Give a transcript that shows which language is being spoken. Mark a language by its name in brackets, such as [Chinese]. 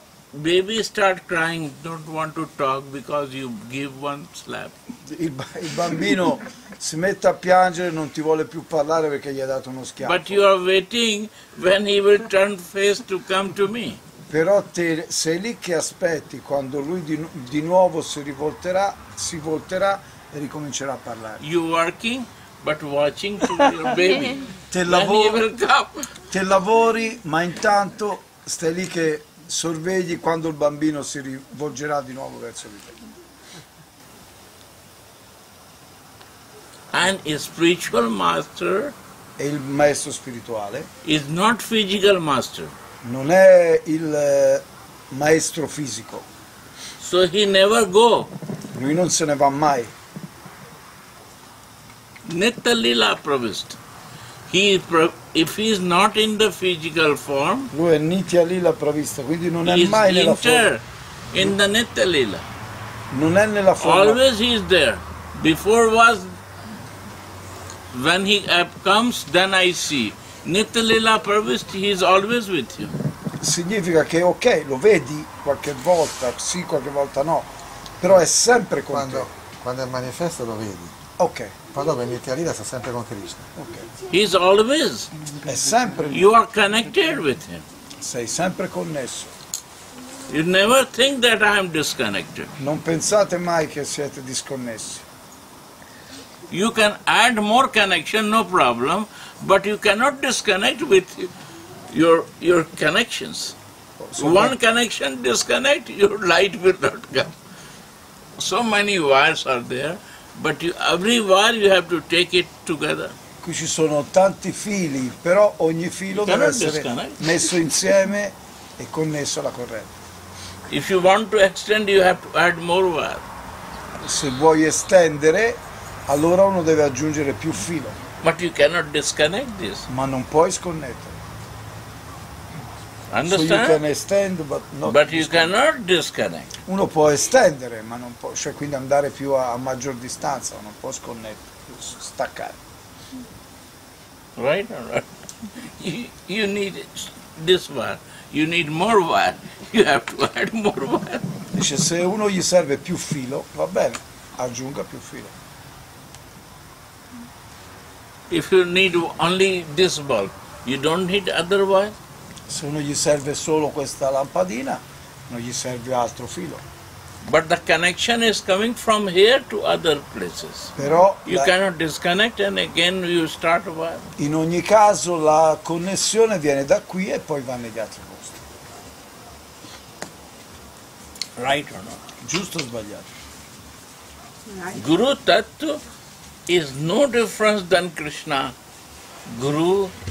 [English] Baby start crying, don't want to talk because you give one slap. [Italian] Il bambino si mette a piangere, non ti vuole più parlare perché gli ha dato uno schiaffo. [English] But you are waiting when he will turn face to come to me. [Italian] Però te sei lì che aspetti quando lui di nuovo si volterà e ricomincerà a parlare. [English] You working but watching to your baby. [Italian] Te lavori, ma intanto stai lì che sorvegli quando il bambino si rivolgerà di nuovo verso di te. [English] And a spiritual master. [Italian] E il maestro spirituale. [English] Is not physical master. [Italian] Non è il maestro fisico. [English] So he never go. [Italian] Lui non se ne va mai. [English] Netta lila promised. If he is not in the physical form, [Italian] lui è nitya lila pravista, quindi non è mai nella forma. [English] In the nitya lila. [Italian] Non è nella forma. [English] Always he is there. Before was when he comes, then I see. Nitya lila pravista, he is always with you. [Italian] Significa che ok, lo vedi qualche volta, sì, qualche volta no, però è sempre con quando, te. Quando è manifesto lo vedi. Ok. Ma dopo in Italia sta sempre con Krishna. [English] Okay. He's always. [Italian] È sempre. [English] You are connected with him. [Italian] Sei sempre connesso. [English] You never think that I am disconnected. [Italian] Non pensate mai che siete disconnessi. [English] You can add more connection, no problem, but you cannot disconnect with your connections. One connection disconnect, your light will not come. So many wires are there. But every wire you have to take it together. [Italian] Qui ci sono tanti fili, però ogni filo deve essere messo insieme e connesso alla corrente. [English] If you want to extend, you have to add more wire. [Italian] Se vuoi estendere, allora uno deve aggiungere più filo. [English] But you cannot disconnect this. [Italian] Ma non puoi sconnettere. [English] Understand? So you can extend, but not. But you cannot disconnect. [Italian] Uno può estendere, ma non può, cioè quindi andare più a maggior distanza, non può sconnettere, staccare. [English] Right, right. You need this wire. You need more wire. You have to add more wire. [Italian] Dice se uno gli serve più filo, va bene, aggiunga più filo. [English] If you need only this bulb, you don't need other wire. [Italian] Se uno gli serve solo questa lampadina, non gli serve altro filo. [English] But the connection is coming from here to other places. [Italian] Però [English] you cannot disconnect and again you start wire. [Italian] In ogni caso la connessione viene da qui e poi va negli altri posti. [English] Right or no? [Italian] Giusto o sbagliato? [English] Right. Guru Tattva is no difference than Krishna. Guru.